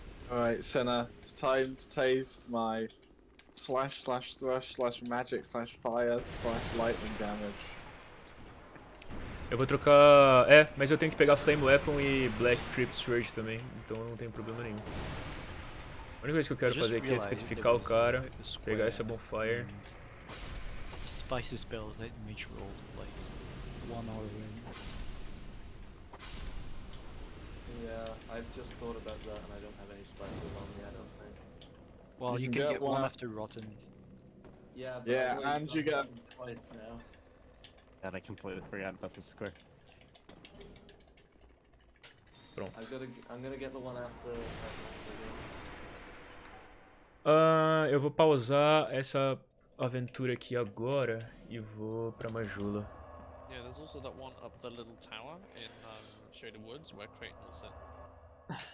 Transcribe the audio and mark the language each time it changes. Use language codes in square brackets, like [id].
[en] Alright, Senna, it's time to taste my slash slash thrush slash magic slash fire slash lightning damage. [pt] Eu vou trocar. É, mas eu tenho que pegar Flame Weapon e Black Crypt Surge também, então não tem problema nenhum. A única coisa que eu quero fazer aqui é especificar o cara, pegar essa bonfire. [en] Spice spells that Mitch rolled like one hour in. Yeah, I've just thought about that and I don't have any spices on me, I don't think. Well, you can get one after rotten. Yeah, but yeah, and you get twice now. And I completely forgot about this square. [pt] Pronto. [en] I'm gonna get the one after. [pt] Eu vou pausar essa aventura aqui agora e vou pra Majula. [en] Yeah, there's also that one up the little tower in Shaded Woods where Creighton was at.